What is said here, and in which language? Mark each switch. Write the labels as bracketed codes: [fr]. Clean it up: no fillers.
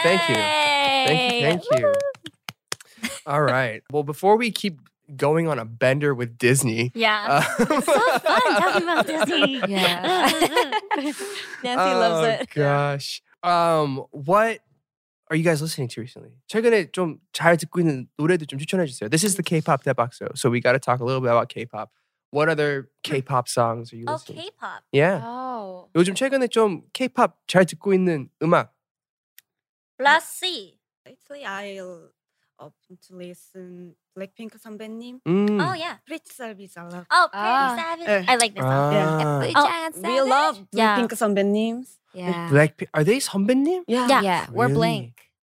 [en] Thank you. Thank you. All right. Well, before we keep going on a bender with Disney… Yeah. It's so fun talking about Disney. Yeah. Nancy loves it. Oh, gosh. What… Are you guys listening to recently? [ko] 최근에 좀 잘 듣고 있는 노래도 좀 추천해 주세요. [en] This is the K-pop 대박쇼. So we got to talk a little bit about K-pop. What other K-pop songs are you listening to? Oh, K-pop. Yeah. Oh. [ko] 요즘 최근에 좀 K-pop 잘 듣고 있는 음악. [en] Last C. Lately, I'll open to listen Blackpink 선배님. Oh, yeah. Pretty Savage. I love. Oh, Pretty Savage. I like this song. Yeah. Oh, we love Blackpink 선배님's. Yeah. Blackpink. Are they 선배님? Yeah. Yeah. Really? We're Blink.